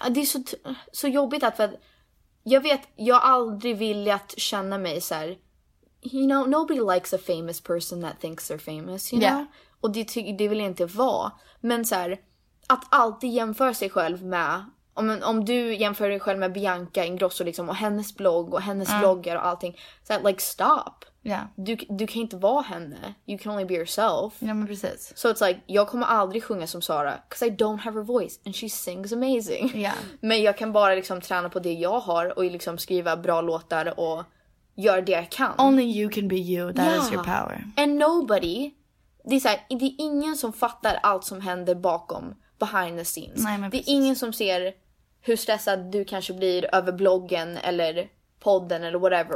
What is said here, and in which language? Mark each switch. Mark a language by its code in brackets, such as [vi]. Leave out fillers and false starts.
[sv] Det är så jobbigt att, för att jag vet, jag aldrig vill att känna mig så här, [en] you know, nobody likes a famous person that thinks they're famous, you yeah. know? [sv] Och det vill jag inte vara. Men så här, att alltid jämföra sig själv med, om du jämför dig själv med Bianca Ingrosso liksom, och hennes blogg och hennes bloggar och allting, så här, [en] like stop. Yeah. [sv] Du kan inte vara henne. [en] You can only be yourself. [sv] Ja, men precis. [en] So it's like, [sv] jag kommer aldrig sjunga som Sara, [en] because I don't have her voice and she sings amazing. Yeah. [sv] Men jag kan bara liksom träna på det jag har och liksom skriva bra låtar och göra det jag kan. [en] Only you can be you. That yeah. is your power. And nobody, [sv] det är så här, det är ingen som fattar allt som händer bakom, [en] behind the scenes. [sv] Nej, men det är ingen som ser hur stressad du kanske blir över bloggen eller podden eller whatever.